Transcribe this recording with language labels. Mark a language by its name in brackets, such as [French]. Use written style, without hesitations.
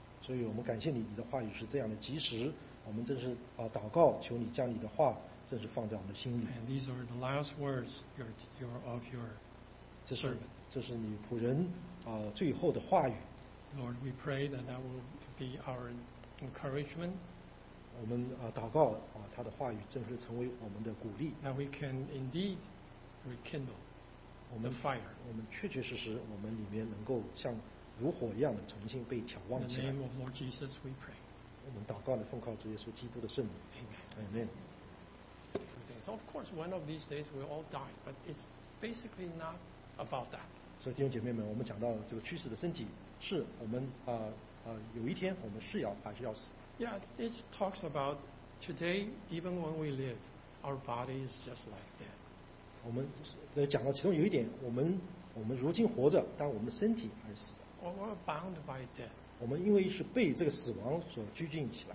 [Chinese] 所以我们感谢你，你的话语是这样的及时。我们正是祷告，求你将你的话正是放在我们的心里。 [English] And these are the last words of your servant. [Chinese] 这是你仆人最后的话语。 [English] Lord, we pray that that will be our encouragement. [Chinese] 我们祷告他的话语正是成为我们的鼓励。 [English] That we can indeed rekindle the fire. [Chinese] 我们确确实实，我们里面能够像如火一样的重新被挑旺起来。 [English] In the name of Lord Jesus, we pray. [Chinese] 我们祷告的奉靠主耶稣基督的圣名。 [English] Amen. Of course, one of these days we all die, but it's basically not about that. [Chinese] 所以弟兄姐妹们，我们讲到这个去死的身体，是我们有一天我们是要还是要死 [English] ？Yeah, it talks about today. Even when we live, our body is just like death. [Chinese] 我们讲到其中有一点，我们如今活着，但我们的身体还是死的。 [English] Or we're bound by death. [Chinese] 我们因为是被这个死亡所拘禁起来。